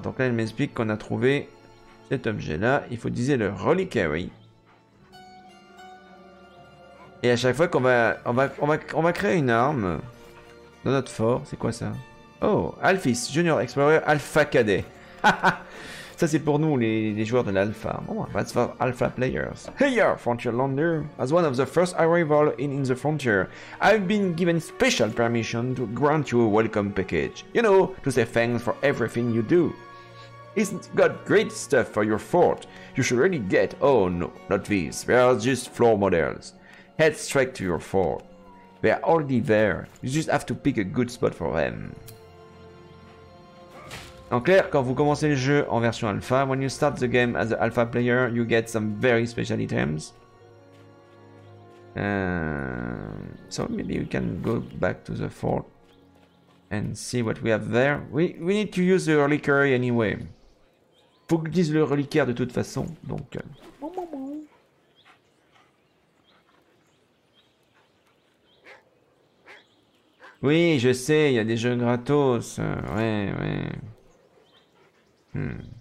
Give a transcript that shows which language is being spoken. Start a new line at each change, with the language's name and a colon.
French: Donc là, il m'explique qu'on a trouvé cet objet-là. Il faut utiliser le reliquary. Et à chaque fois qu'on va... On va créer une arme dans notre fort. C'est quoi ça? Oh, Alphys, Junior Explorer Alpha Cadet. Ça, c'est pour nous, les joueurs de l'alpha.
English: Oh, that's for alpha players. Hey, yeah, Frontier Lander. As one of the first arrival in the Frontier, I've been given special permission to grant you a welcome package. You know, to say thanks for everything you do. He's got great stuff for your fort. You should really get... Oh, no, not these. They are just floor models. Head straight to your fort. They are already there. You just have to pick a good spot for them.
French: En clair, quand vous commencez le jeu en version alpha,
English: when you start the game as an alpha player, you get some very special items. So maybe we can go back to the fort and see what we have there. We need to use the reliquary anyway.
French: Faut que dise le reliquaire de toute façon, donc... Oui, je sais, il y a des jeux gratos, ouais, ouais.